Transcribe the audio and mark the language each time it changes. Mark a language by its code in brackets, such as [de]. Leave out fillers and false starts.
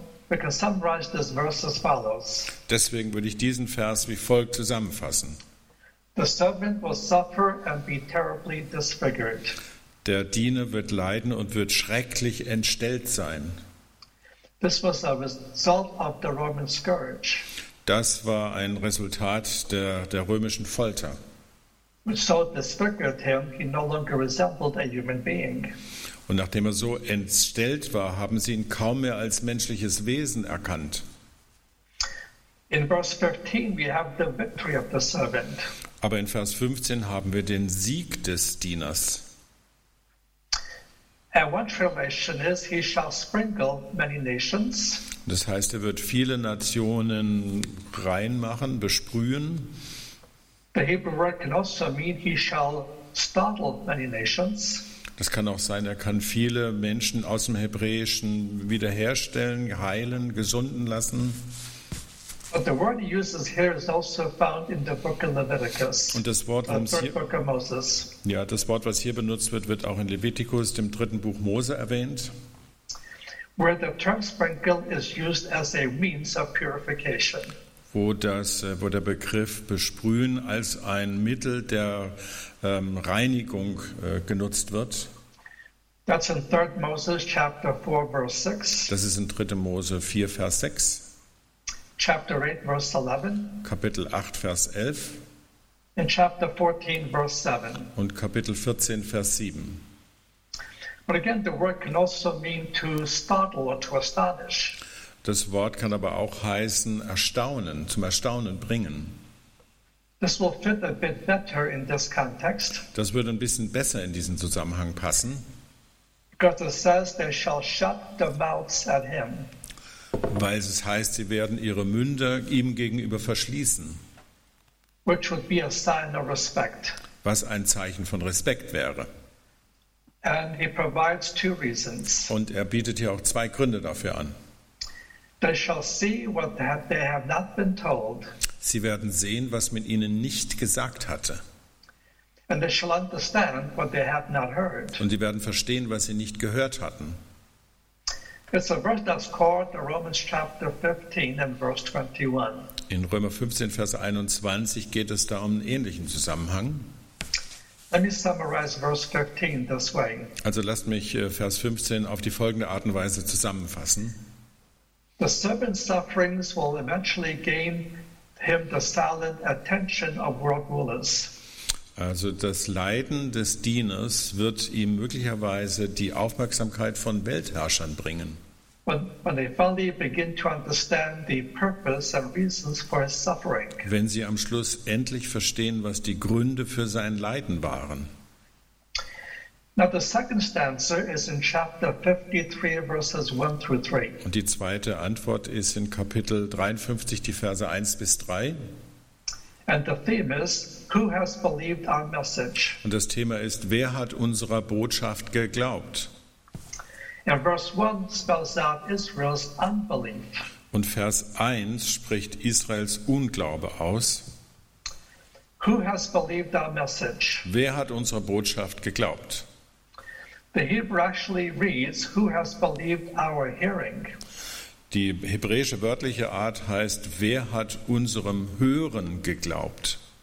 [en] We can summarize this verse as follows. [de] Deswegen würde ich diesen Vers wie folgt zusammenfassen. [en] The servant will suffer and be terribly disfigured. [de] Der Diener wird leiden und wird schrecklich entstellt sein. [en] This was a result of the Roman scourge. [de] Das war ein Resultat der römischen Folter. [en] Which so disfigured him, he no longer resembled a human being. [de] Und nachdem er so entstellt war, haben sie ihn kaum mehr als menschliches Wesen erkannt. [en] In verse 15 we have the victory of the servant. [de] Aber in Vers 15 haben wir den Sieg des Dieners. [en] And one translation is, he shall sprinkle many nations. [de] Das heißt, er wird viele Nationen reinmachen, besprühen. [en] The Hebrew word can also mean he shall startle many nations. [de] Das kann auch sein, er kann viele Menschen aus dem Hebräischen wiederherstellen, heilen, gesunden lassen. [en] But the word he uses here is also found in the book of Leviticus. [de] Und das Wort, [en] book of Moses. [de] Ja, das Wort, was hier benutzt wird, wird auch in Leviticus, dem dritten Buch Mose, erwähnt. [en] Where the term sprinkle is used as a means of purification. [de] Wo der Begriff besprühen als ein Mittel der Reinigung genutzt wird. [en] That's in 3 Moses chapter 4 verse 6. [de] Das ist in 3. Mose 4 Vers 6. [en] Chapter 8 verse 11. [de] Kapitel 8 Vers 11. [en] In chapter 14 verse 7. [de] Und Kapitel 14 Vers 7. [en] But again, the word can also mean to startle or to astonish. [de] Das Wort kann aber auch heißen erstaunen, zum Erstaunen bringen. [en] This will fit a bit better in this context. [de] Das würde ein bisschen besser in diesen Zusammenhang passen. [en] Because it says they shall shut their mouths at him. [de] Weil es heißt, sie werden ihre Münder ihm gegenüber verschließen. [en] Which would be a sign of respect. [de] Was ein Zeichen von Respekt wäre. [en] And he provides two reasons. [de] Und er bietet hier auch zwei Gründe dafür an. [en] They shall see what they have not been told. [de] Sie werden sehen, was man ihnen nicht gesagt hatte. [en] And they shall understand what they have not heard. [de] Und sie werden verstehen, was sie nicht gehört hatten. [en] It's a verse that's called the Romans chapter 15 and verse 21. [de] In Römer 15, Vers 21 geht es da um einen ähnlichen Zusammenhang. [en] Let me summarize verse 15 this way. [de] Also lasst mich Vers 15 auf die folgende Art und Weise zusammenfassen. [en] The servant's sufferings will eventually gain him the silent attention of world rulers. [de] Also das Leiden des Dieners wird ihm möglicherweise die Aufmerksamkeit von Weltherrschern bringen. [en] When they finally begin to understand the purpose and reasons for his suffering. [de] Wenn sie am Schluss endlich verstehen, was die Gründe für sein Leiden waren. [en] Now the second stanza is in chapter 53, verses 1 through 3. [de] Und die zweite Antwort ist in Kapitel 53, die Verse 1 bis 3. [en] And the theme is, who has believed our message? [de] Und das Thema ist, wer hat unserer Botschaft geglaubt? [en] And verse 1 spells out Israel's unbelief. [de] Und Vers 1 spricht Israels Unglaube aus. [en] Who has believed our message? [de] Wer hat unserer Botschaft geglaubt? [en] The Hebrew actually reads, who has believed our hearing? [de] Die hebräische wörtliche Art heißt, wer hat unserem Hören geglaubt?